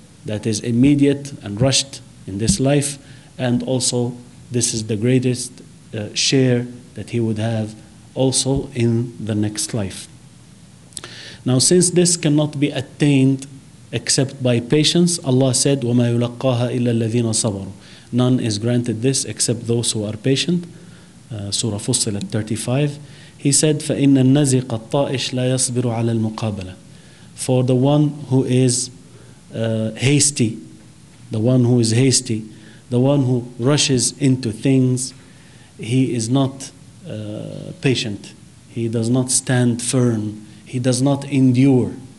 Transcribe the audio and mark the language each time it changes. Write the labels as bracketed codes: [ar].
[en] That is immediate and rushed in this life. And also, this is the greatest share that he would have also in the next life. Now, since this cannot be attained except by patience, Allah said, [ar] وَمَا يُلَقَّاهَا إِلَّا الَّذِينَ صَبَرُوا. [en] None is granted this except those who are patient. Surah Fussilat 35. He said, [ar] فَإِنَّ النَّزِقَ الطَّائِشْ لَا يَصْبِرُ عَلَى الْمُقَابَلَةِ. [en] For the one who is hasty, the one who is hasty, the one who rushes into things, he is not patient. He does not stand firm. He does not endure.